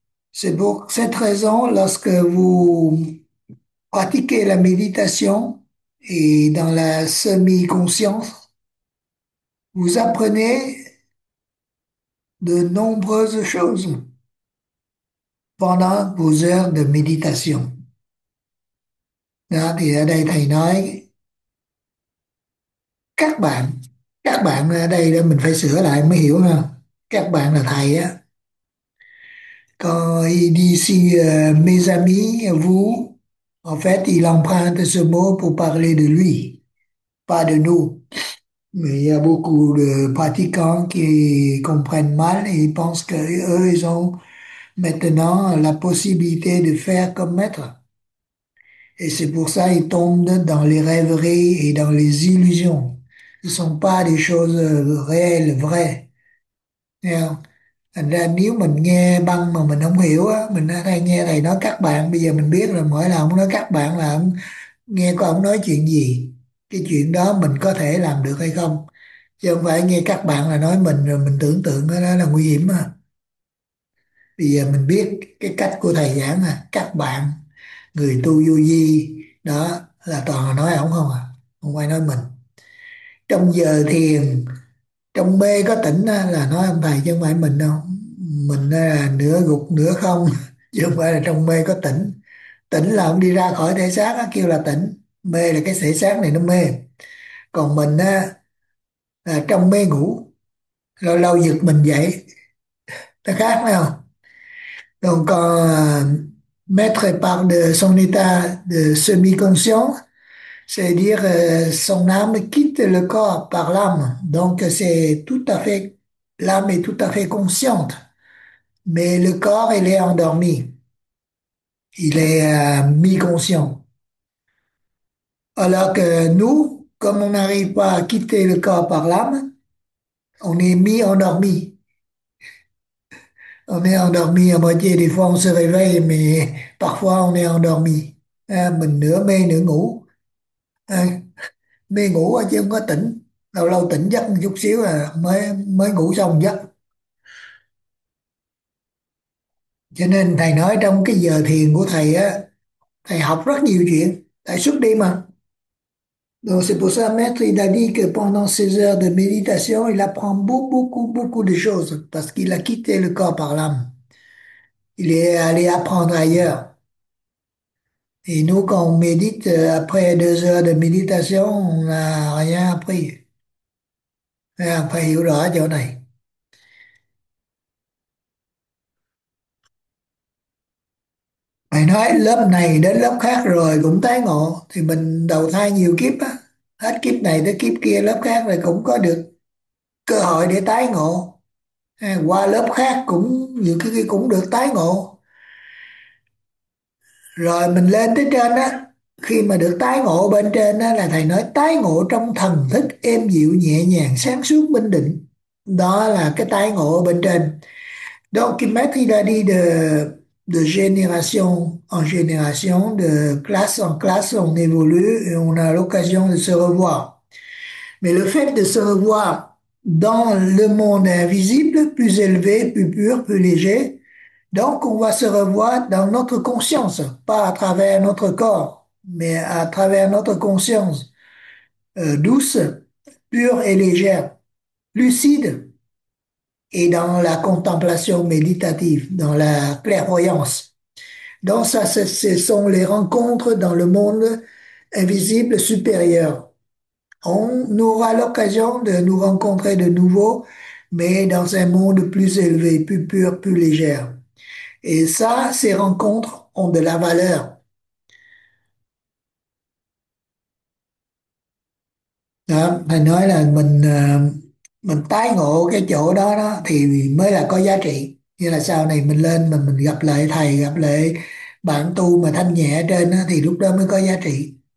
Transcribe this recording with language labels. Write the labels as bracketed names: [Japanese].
[French] C'est pour cette raison, lorsque vous pratiquez la méditation et dans la semi-conscience, vous apprenez de nombreuses choses pendant vos heures de méditation. [Vietnamese] Thì ở đây thầy nói các bạn ở đây là mình phải sửa lại mới hiểu ha, các bạn là thầy á. [French] Còn il dit si mes amis, vous, en fait, il emprunte ce mot pour parler de lui, pas de nous. Mais il y a beaucoup de pratiquants qui comprennent mal et pensent qu'eux, ils ont maintenant la possibilité de faire comme maître. Et c'est pour ça qu'ils tombent dans les rêveries et dans les illusions. Ce ne sont pas des choses réelles, vraies. [Vietnamese] Thành ra nếu mình nghe băng mà mình không hiểu á, mình hay nghe thầy nói các bạn, bây giờ mình biết là mỗi lần ông nói các bạn là ông nghe có ông nói chuyện gì. Cái chuyện đó mình có thể làm được hay không, chứ không phải nghe các bạn là nói mình rồi mình tưởng tượng đó là nguy hiểm mà. Bây giờ mình biết cái cách của thầy giảng à, các bạn người tu vô vi đó là toàn nói ổng không à, không ai nói mình. Trong giờ thiền, trong mê có tỉnh là nói ông thầy chứ không phải mình đâu. Mình là nửa gục nửa không chứ không phải là trong mê có tỉnh. Tỉnh là ông đi ra khỏi thể xác á, kêu là tỉnh. Mê là cái thể xác này nó mê. Còn mình á, là trong mê ngủ, lâu lâu giật mình dậy, ta khác phải không? [French] Donc, maître parle de son état de semi-conscience, c'est-à-dire son âme quitte le corps par l'âme. Donc, c'est tout à fait, l'âme est tout à fait consciente, mais le corps, il est endormi. Il est mi-conscient. Alors que nous, comme on n'arrive pas à quitter le corps par l'âme, on est mis endormi. On est endormi à moitié, des fois on se réveille, mais parfois on est endormi. [Vietnamese] Mình nửa mê nửa ngủ. Mê ngủ chứ không có tỉnh. Lâu lâu tỉnh giấc một chút xíu à, mới ngủ xong giấc. Cho nên thầy nói trong cái giờ thiền của thầy á, thầy học rất nhiều chuyện, tại suốt đêm mà. [French] Donc c'est pour ça, maître, il a dit que pendant ses heures de méditation, il apprend beaucoup, beaucoup, beaucoup de choses parce qu'il a quitté le corps par l'âme. Il est allé apprendre ailleurs. Et nous, quand on médite, après 2 heures de méditation, on n'a rien appris. Après, il y aura [Vietnamese] chỗ này. Mày nói lớp này đến lớp khác rồi cũng tái ngộ thì mình đầu thai nhiều kiếp á, hết kiếp này tới kiếp kia lớp khác rồi cũng có được cơ hội để tái ngộ, hay qua lớp khác cũng nhiều cái kia cũng được tái ngộ, rồi mình lên tới trên á, khi mà được tái ngộ bên trên á là thầy nói tái ngộ trong thần thức êm dịu nhẹ nhàng sáng suốt minh định, đó là cái tái ngộ bên trên. [French] Donc [Vietnamese] khi mát thì ra đi [French] de génération en génération, de classe en classe, on évolue et on a l'occasion de se revoir. Mais le fait de se revoir dans le monde invisible, plus élevé, plus pur, plus léger, donc on va se revoir dans notre conscience, pas à travers notre corps, mais à travers notre conscience, douce, pure et légère, lucide. Et dans la contemplation méditative, dans la clairvoyance. Donc ça, ce sont les rencontres dans le monde invisible supérieur. On aura l'occasion de nous rencontrer de nouveau, mais dans un monde plus élevé, plus pur, plus légère. Et ça, ces rencontres ont de la valeur. [Vietnamese] Đó, thầy nói là mình tái ngộ cái chỗ đó đó thì mới là có giá trị. Như là sau này mình lên mà mình gặp lại thầy, gặp lại bạn tu mà thanh nhẹ trên đó, thì lúc đó mới có giá trị.